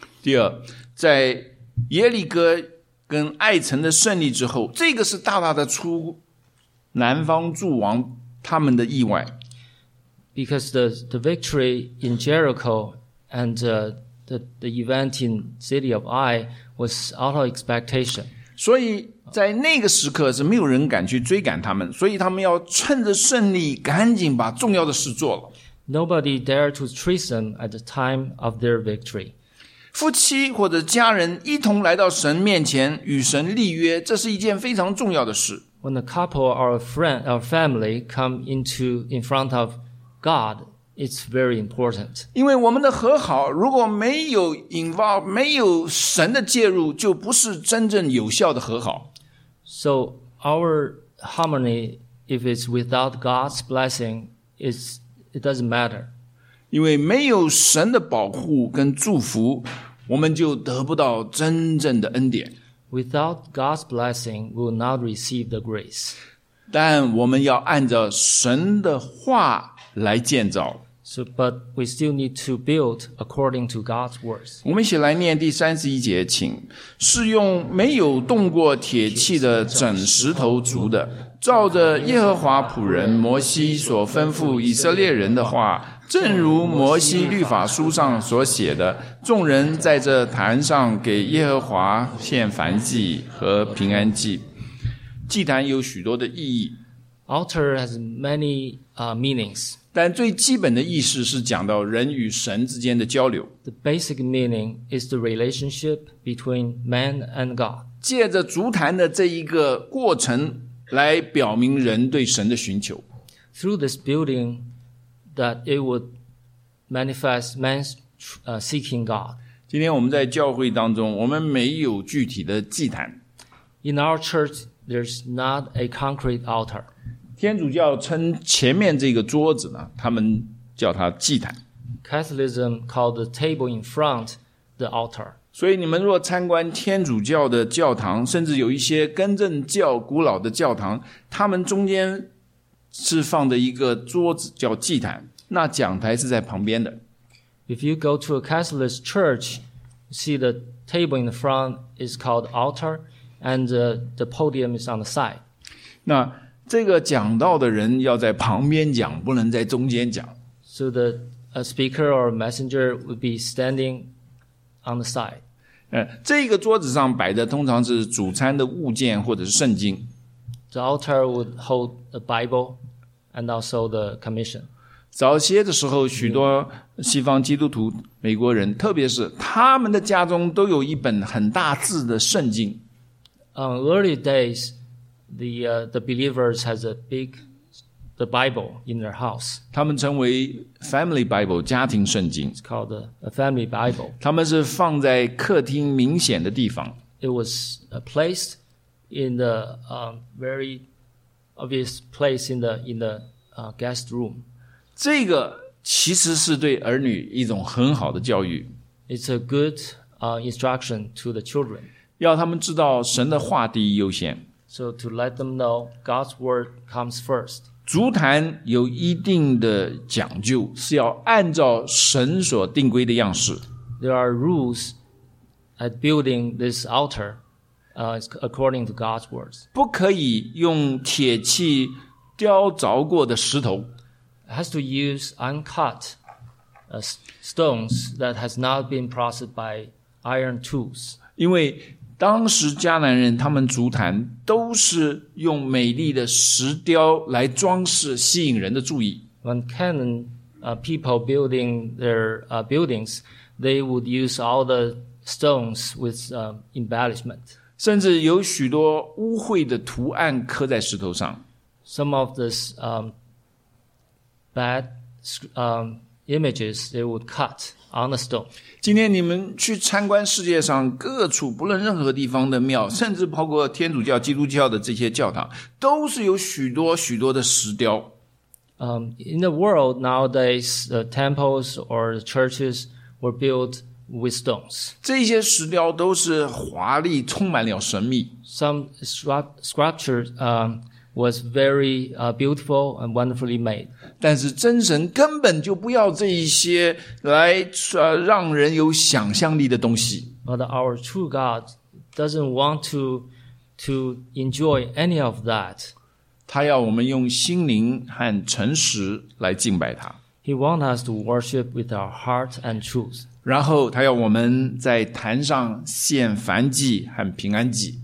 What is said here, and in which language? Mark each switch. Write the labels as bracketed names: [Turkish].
[Chinese] 第二，在耶利哥跟爱城的胜利之后，这个是大大的出南方诸王他们的意外。 [English] Because the victory in Jericho and the event in city of Ai was out of expectation. [Chinese] 所以在那个时刻是没有人敢去追赶他们，所以他们要趁着胜利赶紧把重要的事做了。 [English] Nobody dared to treat them at the time of their victory. [Chinese] 夫妻或者家人一同来到神面前与神立约，这是一件非常重要的事。 [English] When a couple or a friend or family come into in front of God, it's very important. [Chinese] 因为我们的和好如果没有 involve, 没有神的介入，就不是真正有效的和好。 [English] So our harmony, if it's without God's blessing, it doesn't matter. [Chinese] 因为没有神的保护跟祝福，我们就得不到真正的恩典。 [English] Without God's blessing, we will not receive the grace. [Chinese] 但我们要按照神的话来建造。 [English] So, but we still need to build according to God's words. [Chinese] 我们一起来念第31节，请。是用没有动过铁器的整石头筑的，照着耶和华仆人摩西所吩咐以色列人的话，正如摩西律法书上所写的，众人在这坛上给耶和华献燔祭和平安祭。祭坛有许多的意义。 [English] Altar has many meanings. [Chinese] 但最基本的意思是讲到人与神之间的交流。 [English] The basic meaning is the relationship between man and God. [Chinese] 借着筑坛的这一个过程来表明人对神的寻求。 [English] Through this building, that it would manifest man's seeking God. [Chinese] 今天我们在教会当中，我们没有具体的祭坛。 [English] In our church, there's not a concrete altar. [Chinese] 天主教称前面这个桌子呢，他们叫它祭坛。 [English] Catholicism called the table in front the altar. [Chinese] 所以你们若参观天主教的教堂，甚至有一些根正教古老的教堂，他们中间是放的一个桌子叫祭坛，那讲台是在旁边的。 [English] If you go to a Catholic church, see the table in the front is called altar, and the podium is on the side. [Chinese] 那这个讲道的人要在旁边讲，不能在中间讲。 [English] So the speaker or messenger would be standing on the side. [Chinese] 这个桌子上摆的通常是主餐的物件或者是圣经。 [English] The altar would hold the Bible and also the commission. [Chinese] 早些的时候，许多西方基督徒、美国人，特别是他们的家中都有一本很大字的圣经。 [English] On early days, the believers has a big the Bible in their house. [Chinese] 他们称为 family Bible, 家庭圣经。 [English] It's called a family Bible. [Chinese] 他们是放在客厅明显的地方。 [English] It was placed in the very obvious place in the guest room. [Chinese] 这个其实是对儿女一种很好的教育。 [English] It's a good instruction to the children. [Chinese] 要他们知道神的话第一优先。 [English] So to let them know God's word comes first. [Chinese] 筑坛有一定的讲究，是要按照神所定规的样式。 [English] There are rules at building this altar. according to God's words. [Chinese] 不可以用铁器雕凿过的石头。 [English] Has to use uncut stones that has not been processed by iron tools. [Chinese] 因为当时迦南人他们筑坛都是用美丽的石雕来装饰，吸引人的注意。 [English] When Canaan people building their buildings, they would use all the stones with embellishment. [Chinese] 甚至有许多污秽的图案刻在石头上。 [English] Some of this bad images they would cut on the stone. [Chinese] 今天你们去参观世界上各处，不论任何地方的庙，甚至包括天主教、基督教的这些教堂，都是有许多许多的石雕。 [English] In the world nowadays, the temples or the churches were built with stones. [Chinese] 这些石雕都是华丽，充满了神秘。 [English] Some sculptures was very beautiful and wonderfully made. [Chinese] 但是真神根本就不要这一些来让人有想象力的东西。 [English] But our true God doesn't want to enjoy any of that. [Chinese] 他要我们用心灵和诚实来敬拜他。 [English] He wants us to worship with our heart and truth. [Chinese] 然后他要我们在坛上献燔祭和平安祭。